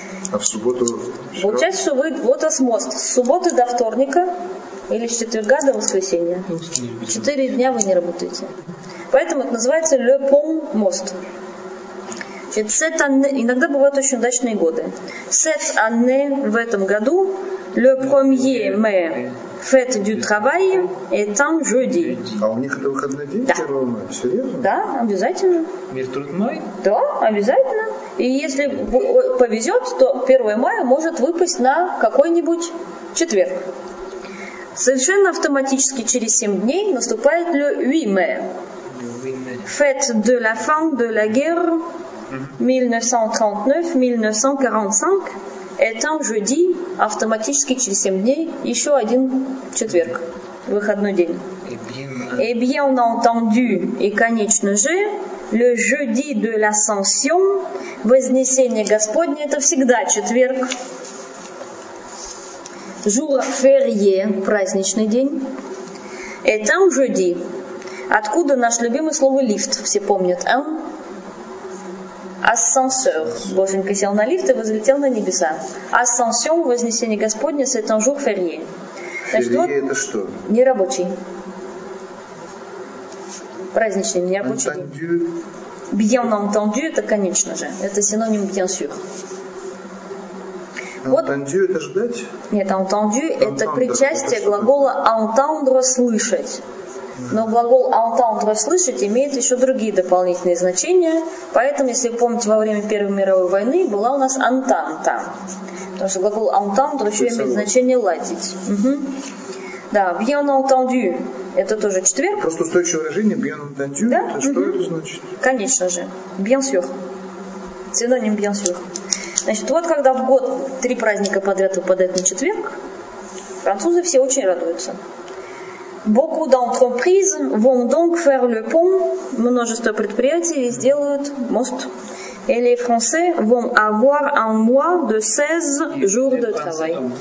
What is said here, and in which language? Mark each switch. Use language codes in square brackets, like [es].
[ru] А в субботу? Получается, что вы вот у вас мост. С субботы до вторника или с четверга до воскресенья. Четыре дня вы не работаете. Поэтому это называется «le pont» – «мост». Иногда бывают очень удачные годы. [fr] «Cette année» – [ru] в этом году [fr] «le premier mai» Fête du travail est un jeudi. [ru] А у них это выходной день, да. 1 мая? Серьезно? Да, обязательно. Мир трудной? Да, обязательно. И если повезет, то 1 мая может выпасть на какой-нибудь четверг. Совершенно автоматически через 7 дней наступает le 8 mai. [fr] Fête de la fin de la guerre 1939-1945. [ru] Это jeudi, автоматически через 7 дней, еще один четверг, выходной день. [fr] Et bien entendu, [ru] и, конечно же, [fr] le jeudi de l'ascension, [ru] вознесение Господне, это всегда четверг. [fr] Jour férié, [ru] праздничный день. Это jeudi. Откуда наше любимое слово лифт, все помнят, а? Ассансер. Боженька сел на лифт и возлетел на небеса. Ассансион, вознесение Господне, [fr] c'est un jour férié. [ru] Férié вот это что? Нерабочий. Праздничный, нерабочий [fr] entendu. [ru] День. [fr] Bien entendu, [ru] это конечно же. Это синоним bien sûr. Entendu, вот. Это ждать? Нет, entendu, это причастие это глагола entendre, слышать. Но глагол «entendre» – «слышать» имеет еще другие дополнительные значения. Поэтому, если вы помните, во время Первой мировой войны была у нас «entente». Потому что глагол «entendre» еще имеет значение «ладить». Угу. Да, «bien entendu» – это тоже четверг. Просто устойчивое выражение «bien entendu» да? – что это значит? Конечно же. «Bien sûr». Синоним «bien sûr». Значит, вот когда в год три праздника подряд выпадают на четверг, французы все очень радуются. [fr] Beaucoup d'entreprises vont donc faire le pont. [ru] Множество предприятий сделают мост. [fr] Et les Français vont avoir un mois de 16 jours de travail.